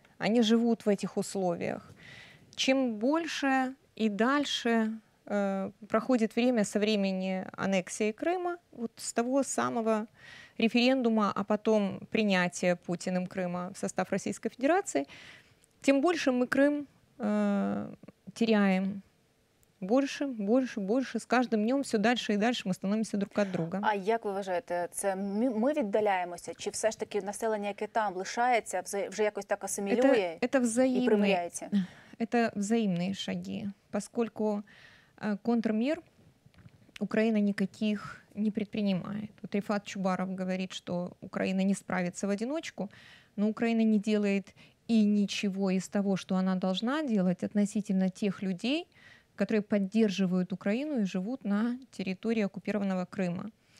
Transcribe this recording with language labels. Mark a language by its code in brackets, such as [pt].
[ru] Они живут в этих условиях. Чем больше и дальше проходит время со времени аннексии Крыма, вот с того самого референдума, а потом принятия Путиным Крыма в состав Российской Федерации, тем больше мы Крым теряем. Больше, больше, больше. С каждым днем все дальше и дальше мы становимся друг от друга. А как вы [uk] вважаете, це мы віддаляємося, чи все ж таки населення, яке там, лишається, вже якось так асимілює? [ru] Это взаимные. Это взаимные шаги, поскольку контрмер Украина никаких не предпринимает. Вот Рифат Чубаров говорит, что Украина не справится в одиночку, но Украина не делает и ничего из того, что она должна делать относительно тех людей, которые поддерживают Украину и живут на территории оккупированного Крыма.